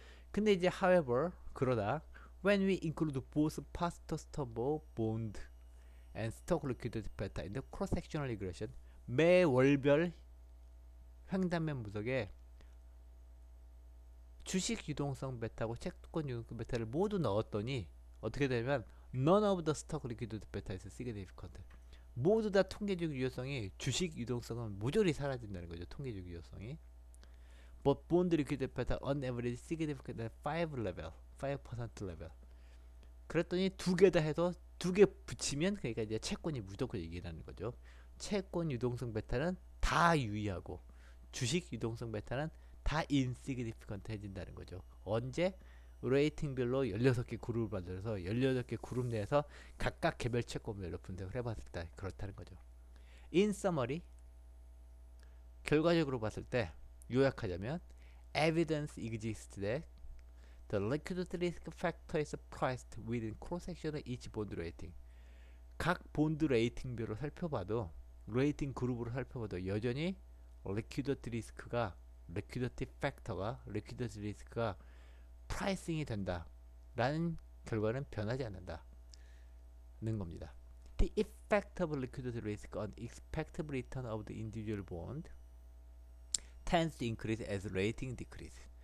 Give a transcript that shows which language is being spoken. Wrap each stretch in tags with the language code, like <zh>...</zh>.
<ko>근데 이제</ko> <en>however</en> <ko>그러다</ko> <en>when we include both pastor-sturm bond and stock liquidity beta in the cross-sectional regression</en> <ko>매월별 횡단면 분석에 주식 유동성 베타하고 채권 유동성 베타를 모두 넣었더니 어떻게 되냐면</ko> <en>none of the stock liquidity beta is significant.</en> <ko>모두 다 통계적 유효성이 주식 유동성은 모조리 사라진다는 거죠. 통계적 유효성이.</ko> <en>But bond liquidity beta on average significant at 5% level.</en> <ko>그랬더니 두개다 해서 두개 붙이면 그러니까 이제 채권이 무조건 이기라는 거죠. 채권 유동성 베타는 다 유의하고 주식 유동성 베타는 다 insignificant 해진다는 거죠. 언제? 레이팅별로 16개 그룹을 만들어서 16개 그룹 내에서 각각 개별 채권별로 분석을 해봤을 때 그렇다는 거죠.</ko> <en>In summary,</en> <ko>결과적으로 봤을 때 요약하자면</ko> <en>Evidence exists that the liquidity risk factor is priced within cross-section of each bond rating.</en> <ko>각 bond 레이팅별로 살펴봐도 레이팅 그룹으로 살펴봐도 여전히 liquidity risk가, liquidity factor가, liquidity risk가 pricing이 된다. 라는 결과는 변하지 않는다. 는 겁니다.</ko> <en>The effect of liquidity risk on expected return of the individual bond tends to increase as rating decrease.</en>